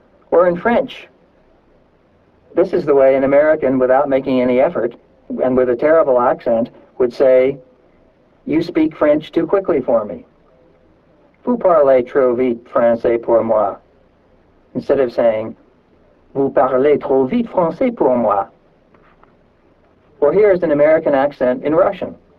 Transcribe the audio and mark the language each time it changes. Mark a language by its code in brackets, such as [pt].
[en] Or in French, this is the way an American, without making any effort and with a terrible accent, would say, you speak French too quickly for me. [fr] Vous parlez trop vite français pour moi. [en] Instead of saying, [fr] vous parlez trop vite français pour moi. [en] Or here is an American accent in Russian.